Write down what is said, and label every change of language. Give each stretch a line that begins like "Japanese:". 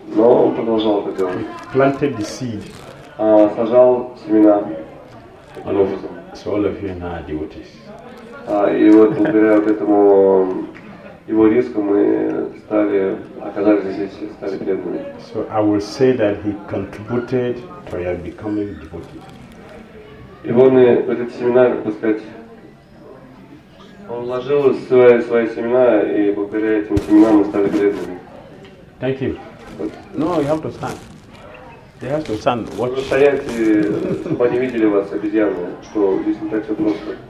Russian: Но он продолжал это делать.
English: He planted the seed.
Russian: Сажал семена.
English: So all of you are devotees.
Russian: И вот благодаря вот этому его риску мы стали оказались здесь, стали преданными.
English: So I will say that he contributed to your becoming devotee.
Russian: И вот этот семинар, так сказать, он вложил свои семена, и благодаря этим семенам мы стали преданными.
English: Thank you. No, you have to stand. They have to stand. Watch.
Russian: Вы стоять, чтобы они видели вас, обезьяны, что здесь не так все просто.